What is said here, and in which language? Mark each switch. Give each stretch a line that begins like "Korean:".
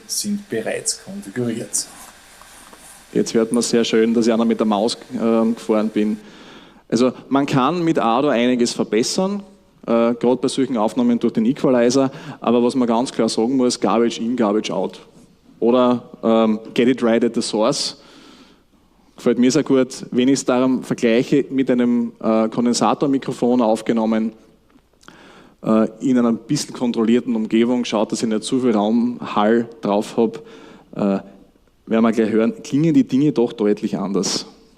German: sind bereits konfiguriert. Jetzt hört man sehr schön, dass ich auch noch mit der Maus gefahren bin. Also man kann mit Ado einiges verbessern. Gerade bei solchen Aufnahmen durch den Equalizer, aber was man ganz klar sagen muss,
English: Garbage in, Garbage out. Oder get it right at the source.
German: Gefällt mir sehr gut. Wenn ich es darum vergleiche, mit einem Kondensatormikrofon aufgenommen, in einer ein bisschen kontrollierten Umgebung, schaut, dass ich nicht zu viel Raumhall drauf habe, werden wir gleich hören, klingen die Dinge doch deutlich anders.